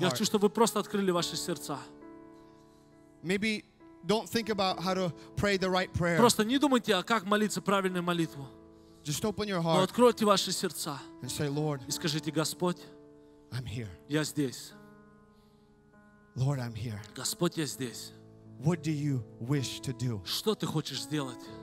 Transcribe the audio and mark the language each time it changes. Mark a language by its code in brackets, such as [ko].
[ru] Я хочу, чтобы вы просто открыли ваши сердца. [en] Maybe don't think about how to pray the right prayer. [ru] Просто не думайте, а как молиться правильную молитву. [en] Just open your heart. [ru] Но откройте ваши сердца. [en] And say, Lord, [ru] и скажите, Господь, [en] I'm here. [ru] Я здесь. [en] Lord, I'm here. [ru] Господь, я здесь. [en] What do you wish to do? [ru] Что ты хочешь сделать?